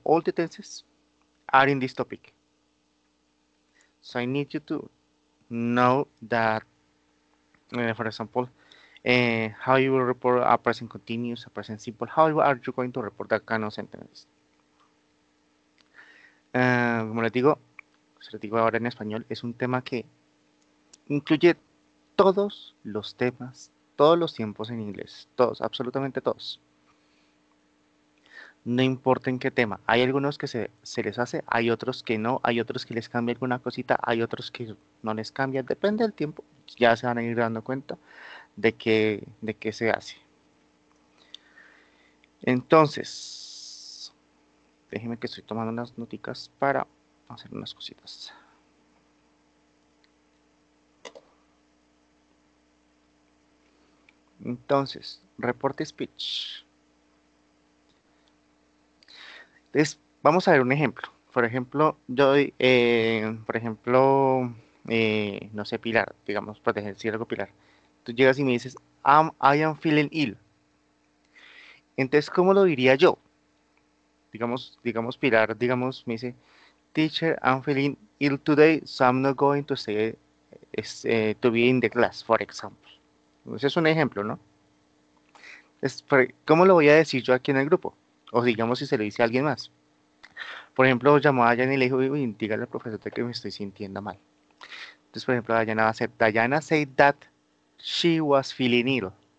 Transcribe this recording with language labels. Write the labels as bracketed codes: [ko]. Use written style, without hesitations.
[en] All the tenses are in this topic. So, I need you to know that. For example, how you will report a present continuous, a present simple. How are you going to report that kind of sentences? [es] Como les digo ahora en español, es un tema que incluye todos los temas, todos los tiempos en inglés. Todos, absolutamente todos. No importa en qué tema. Hay algunos que se les hace, hay otros que no, hay otros que les cambia alguna cosita, hay otros que no les cambia, depende del tiempo. Ya se van a ir dando cuenta de qué se hace. Entonces, déjeme que estoy tomando unas noticas para hacer unas cositas. Entonces, report speech. Entonces, vamos a ver un ejemplo. Por ejemplo, no sé, Pilar, digamos, para decir algo, Pilar. Tú llegas y me dices, [en] I am feeling ill. [es] Entonces, ¿cómo lo diría yo? Digamos, Pilar, digamos, me dice, [en] teacher, I'm feeling ill today, so I'm not going to stay to be in the class, for example. [es] Ese es un ejemplo, ¿no? ¿Cómo lo voy a decir yo aquí en el grupo? O digamos, si se lo dice a alguien más. Por ejemplo, llamó a Dayana y le dijo, dígale al profesor que me estoy sintiendo mal. Entonces, por ejemplo, Dayana va a hacer, [en] Dayana said that she was feeling ill.